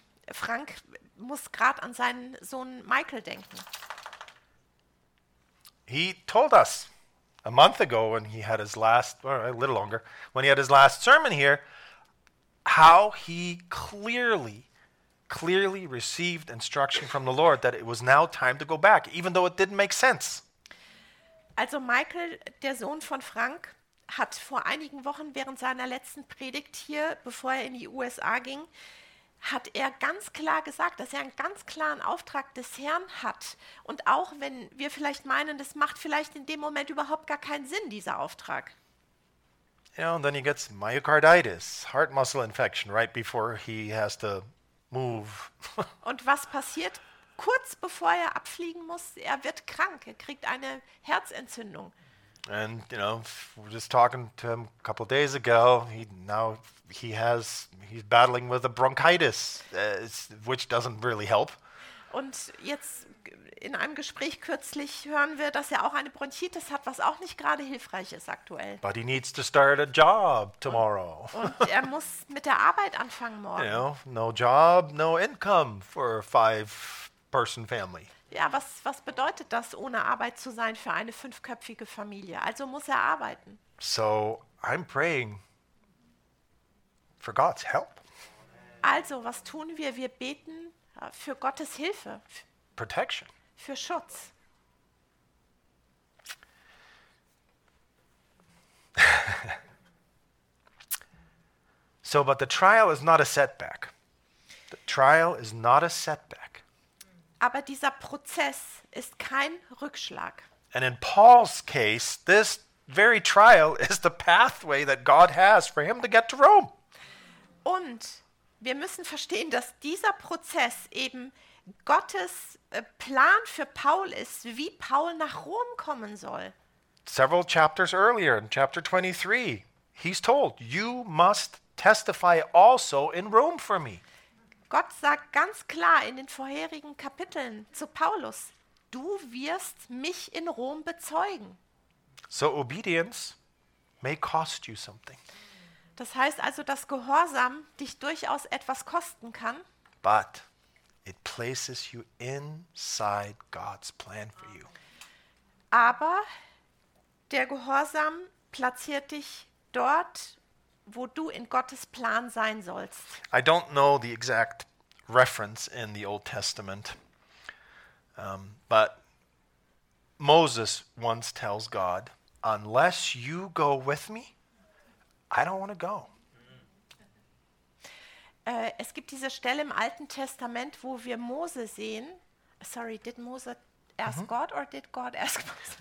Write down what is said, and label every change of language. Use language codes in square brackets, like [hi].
[de] Frank muss gerade an seinen Sohn Michael denken. [en] He told us a month ago when he had his last, or a little longer, when he had his last sermon here, how he clearly received instruction from the Lord that it was now time to go back, even though it didn't make sense. [de] Also Michael, der Sohn von Frank, hat vor einigen Wochen während seiner letzten Predigt hier, bevor er in die USA ging, hat er ganz klar gesagt, dass er einen ganz klaren Auftrag des Herrn hat. Und auch wenn wir vielleicht meinen, das macht vielleicht in dem Moment überhaupt gar keinen Sinn, dieser Auftrag. [en] Yeah, and then he gets myocarditis, heart muscle infection, right before he has to move. [de] Und was passiert? Kurz bevor er abfliegen muss, er wird krank, er kriegt eine Herzentzündung. [en] And, you know, we're just talking to him a couple of days ago, he's battling with a bronchitis, which doesn't really help. [de] Und jetzt in einem Gespräch kürzlich hören wir, dass er auch eine Bronchitis hat, was auch nicht gerade hilfreich ist aktuell. [en] But he needs to start a job tomorrow. [de] Und er muss mit der Arbeit anfangen morgen. [en] You know, no job, no income for a 5-person family. [de] Ja, was bedeutet das, ohne Arbeit zu sein für eine 5-köpfige Familie? Also muss er arbeiten. [en] So, I'm praying for God's help. [de] Also, was tun wir? Wir beten für Gottes Hilfe. [en] Protection. [de] Für Schutz. [en] So, but the trial is not a setback. The trial is not a setback. [de] Aber dieser Prozess ist kein Rückschlag. [en] And in Paul's case, this very trial is the pathway that God has for him to get to Rome. [de] Und wir müssen verstehen, dass dieser Prozess eben Gottes Plan für Paul ist, wie Paul nach Rom kommen soll. [en] Several chapters earlier, in chapter 23, he's told, you must testify also in Rome for me. [de] Gott sagt ganz klar in den vorherigen Kapiteln zu Paulus, du wirst mich in Rom bezeugen. [en] So obedience may cost you something. [de] Das heißt also, dass Gehorsam dich durchaus etwas kosten kann. [en] But it places you inside God's plan for you. [de] Aber der Gehorsam platziert dich dort, wo du in Gottes Plan sein sollst. [en] I don't know the exact reference in the Old Testament, but Moses once tells God, unless you go with me, I don't want to go. [de] Es gibt diese Stelle im Alten Testament, wo wir Mose sehen. [en] Sorry, did Moses ask God or did God ask Moses?